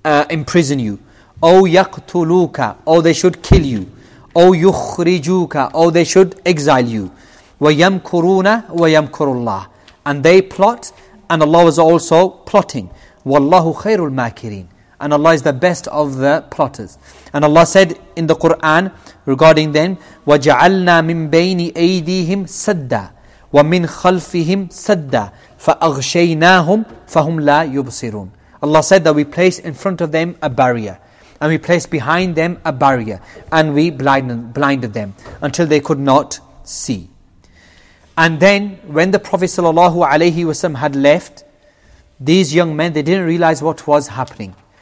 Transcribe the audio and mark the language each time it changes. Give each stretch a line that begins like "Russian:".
English: imprison you,
Arabic: أو يَقْتُلُوكَ,
English: or they should kill you,
Arabic: أو يُخْرِجُوكَ,
English: or they should exile you,
Arabic: وَيَمْكُرُونَ وَيَمْكُرُ اللَّهِ,
English: and they plot, and Allah was also plotting,
Arabic: وَاللَّهُ خَيْرُ الْمَاكِرِينَ,
English: and Allah is the best of the plotters. And Allah said in the Quran regarding them,
Arabic: وَجَعَلْنَا مِنْ بَيْنِ أَيْدِيهِمْ سَدَّا وَمِنْ خَلْفِهِمْ سَدَّا فَأَغْشَيْنَاهُمْ فَهُمْ لَا يُبْصِرُونَ.
English: Allah said that we placed in front of them a barrier, and we placed behind them a barrier, and we blinded them until they could not see. And then when the Prophet sallallahu alayhi wasallam had left, these young men, they didn't realize what was happening.